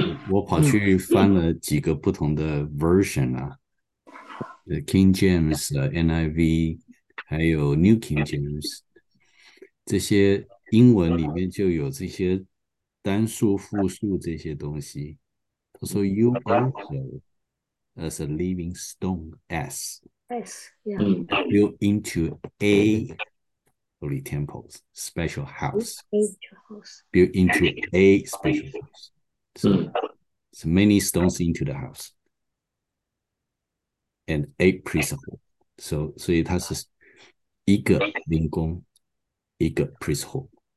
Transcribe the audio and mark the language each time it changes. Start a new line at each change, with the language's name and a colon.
Chinese: 我跑去翻了几个不同的 version 啊，King James、NIV，还有 New King James，这些英文里面就有这些单数、复数这些东西。他说：“
English: You also。 ”As a living stone, as built into a holy temple, special house, built into a special house. So many stones into the house, and a priesthood.
Chinese: So 它是一个灵宫，一个 priesthood。